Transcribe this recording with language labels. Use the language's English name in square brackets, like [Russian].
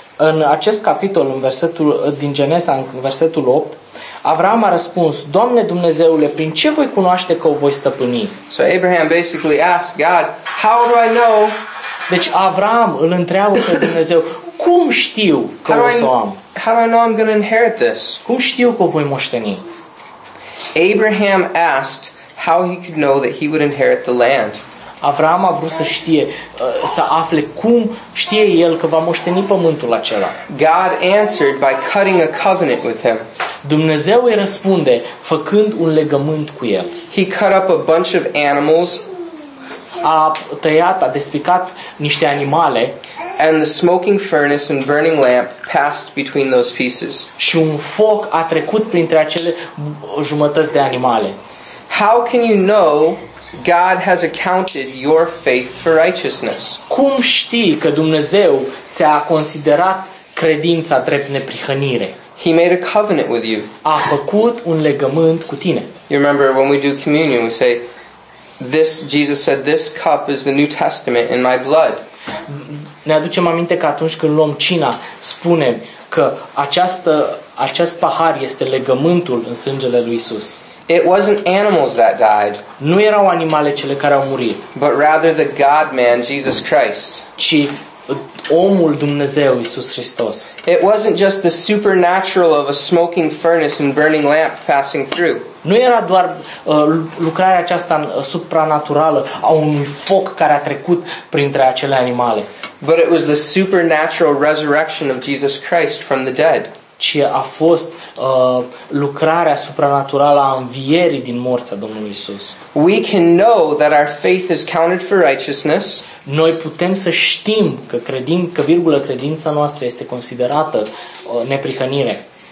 [Romanian] În acest capitol, în versetul din Genesa, în versetul 8, Avraam a răspuns: Doamne Dumnezeule, prin ce voi cunoaște că o voi stăpâni? [English] So Abraham basically asked God, how do I know? [Romanian] Deci Avraam îl întreabă pe Dumnezeu: cum știu că o să o am? [English] How do I know I'm going to inherit this? [Romanian] Cum știu că o voi moșteni? [English] Abraham asked how he could know that he would inherit the land. [Romanian] Avraam a vrut să știe, să afle cum știe el că va moșteni pământul acela. [English] God answered by cutting a covenant with him. [Romanian] Dumnezeu îi răspunde făcând un legământ cu el. [English] He cut up a bunch of animals. [Romanian] A tăiat, a despicat niște animale. [English] And the smoking furnace and burning lamp passed between those pieces. [Romanian] Și un foc a trecut printre acele jumătăți de animale. [English] How can you know God has accounted your faith for righteousness? [Romanian] Cum știi că Dumnezeu ți-a considerat credința drept neprihănire? [English] He made a covenant with you. [Romanian] A făcut un legământ cu tine. [English] You remember when we do communion, we say, "This," Jesus said, "this cup is the new testament in my blood." [Romanian] Ne aducem aminte că atunci când luăm cina, spunem că acest pahar este legământul în sângele lui Isus. [English] It wasn't animals that died. [Romanian] Nu erau animale cele care au murit. [English] But rather the God-man, Jesus Christ. [Romanian] Ci omul Dumnezeu, Isus Hristos. [English] It wasn't just the supernatural of a smoking furnace and burning lamp passing through. [Romanian] Nu era doar lucrarea aceasta supranaturală a unui foc care a trecut printre acele animale. [English] But it was the supernatural resurrection of Jesus Christ from the dead. [Romanian] Ce a fost lucrarea supranaturală a învierii din morți a Domnului Isus. [English] We can know that our faith is counted for righteousness. [Romanian] Noi putem să știm că credim că virgulă credința noastră este considerată neprihănire.